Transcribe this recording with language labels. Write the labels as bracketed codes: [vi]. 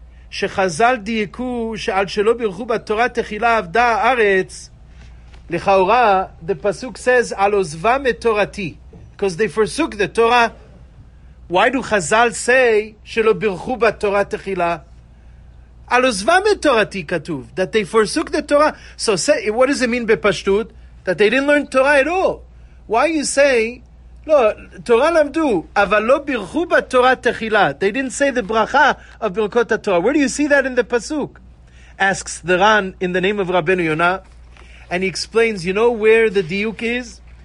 [he] שחזל דייקו שעל שלא ברכו בתורה תחילה עבדה הארץ לכאורה [en] the pasuk says על עוזבה מתורתי because they forsook the Torah. [he] Why do חזל say שלא ברכו בתורה תחילה על עוזבה מתורתי כתוב [en] that they forsook the Torah. So say, what does it mean בפשטות? That they didn't learn Torah at all. [he] Why you say לא, תורה למדו, אבל לא ברכו בתורה תחילה. [en] They didn't say the bracha of ברכות התורה. Where do you see that in the pasuk? Asks the Ran in the name of Rabbeinu Yonah. And he explains, you know where the diuk is?